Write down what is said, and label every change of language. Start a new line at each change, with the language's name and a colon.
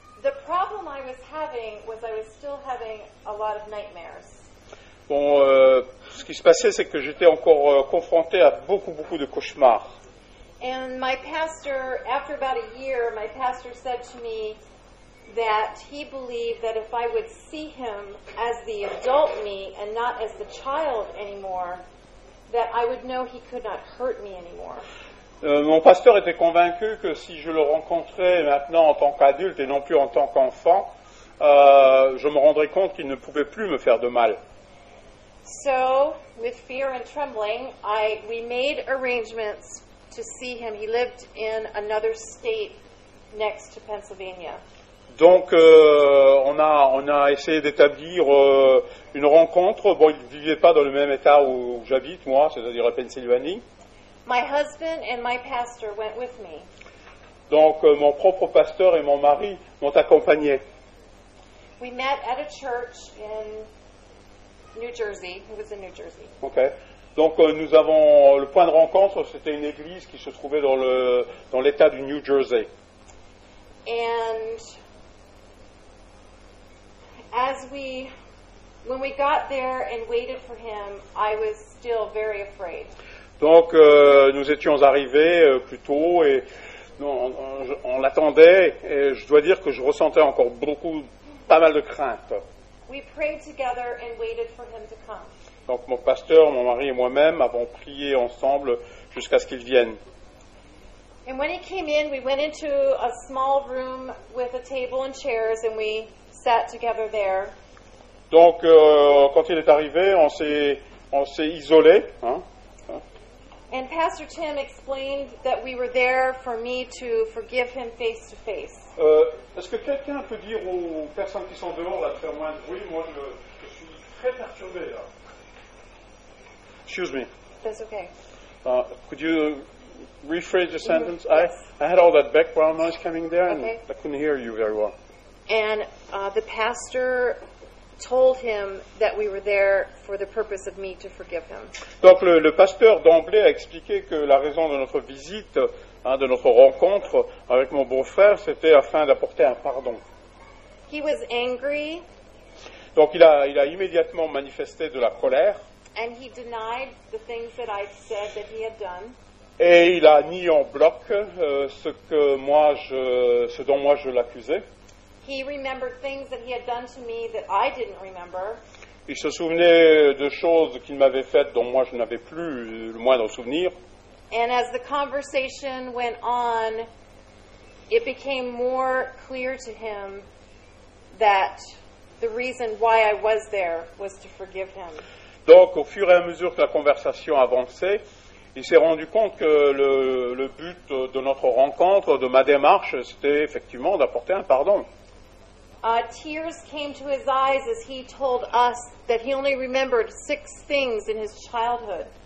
English: The problem I was having was I was still having a lot of nightmares.
French: Bon, ce qui se passait, c'est que j'étais encore confronté à beaucoup de cauchemars.
English: And my pastor, after about a year, my pastor said to me that he believed that if I would see him as the adult me and not as the child anymore, that I would know he could not hurt me anymore.
French: Mon pasteur était convaincu que si je le rencontrais maintenant en tant qu'adulte et non plus en tant qu'enfant, je me rendrais compte qu'il ne pouvait plus me faire de mal.
English: So, with fear and trembling, we made arrangements to see him. He lived in another state next to Pennsylvania.
French: Donc, on a essayé d'établir une rencontre. Bon, il ne vivait pas dans le même état où j'habite, moi, c'est-à-dire la Pennsylvanie.
English: My husband and my pastor went with me.
French: Donc, mon propre pasteur et mon mari m'ont accompagné.
English: We met at a church in New Jersey. It was in New Jersey. Okay.
French: Donc, nous avons le point de rencontre, c'était une église qui se trouvait dans l'état du New Jersey.
English: And as when we got there and waited for him, I was still very afraid.
French: Donc, nous étions arrivés plus tôt et on l'attendait. Et je dois dire que je ressentais encore pas mal de crainte.
English: We prayed together and waited for him to come.
French: Donc, mon pasteur, mon mari et moi-même avons prié ensemble jusqu'à ce qu'il vienne.
English: And when he came in, we went into a small room with a table and chairs and we sat together there.
French: Donc, quand il est arrivé, on s'est isolés, hein.
English: And Pastor Tim explained that we were there for me to forgive him face to face.
French: Est-ce que quelqu'un peut dire aux personnes qui sont dehors là de faire moins de bruit? Moi, je suis très perturbé là.
English: Excuse me. That's okay. Could you rephrase the sentence? Mm-hmm. I had all that background noise coming there, okay. And I couldn't hear you very well. And the pastor told him that we were there for the purpose of me to forgive him.
French: Donc le pasteur d'emblée a expliqué que la raison de notre visite, hein, de notre rencontre avec mon beau-frère, c'était afin d'apporter un pardon.
English: He was angry.
French: Donc il a immédiatement manifesté de la colère.
English: And he denied the things that I said that he had done.
French: Et il a nié en bloc ce dont moi je l'accusais.
English: He remembered things that he had done to me that I didn't remember.
French: Il se souvenait de choses qu'il m'avait faites dont moi je n'avais plus le moindre souvenir.
English: And as the conversation went on, it became more clear to him that the reason why I was there was to forgive him.
French: Donc, au fur et à mesure que la conversation avançait, il s'est rendu compte que le but de notre rencontre, de ma démarche, c'était effectivement d'apporter un pardon.
English: Tears came to his eyes as he told us that he only remembered 6 things in his childhood.